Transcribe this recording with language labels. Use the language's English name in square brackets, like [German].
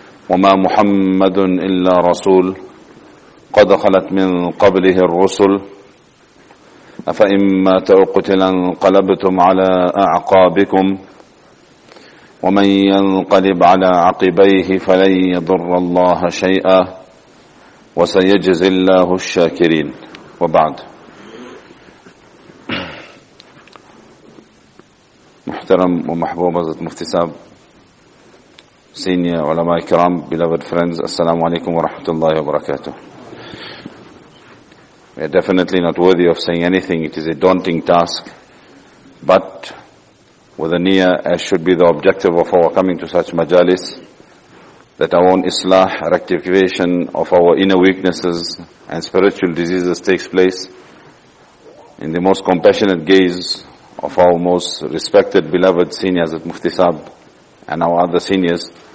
[Arabic] وما محمد إلا رسول قد خلت من قبله الرسل أفإن مات أو قتل انقلبتم على أعقابكم ومن ينقلب على عقبيه فلن يضر الله شيئا وسيجزي الله الشاكرين. [Urdu] وبعد، محترم ومحبوب حضرت مفتي صاحب، سينيا علماء الكرام، [English] beloved friends، [Urdu] السلام عليكم ورحمة الله وبركاته. [English] We are definitely not worthy of saying anything. It is a daunting task, but with a niyyah, as should be the objective of our coming to such majalis, that our own islah, rectification of our inner weaknesses and spiritual diseases takes place in the most compassionate gaze of our most respected, beloved seniors at Mufti Sahab and our other seniors.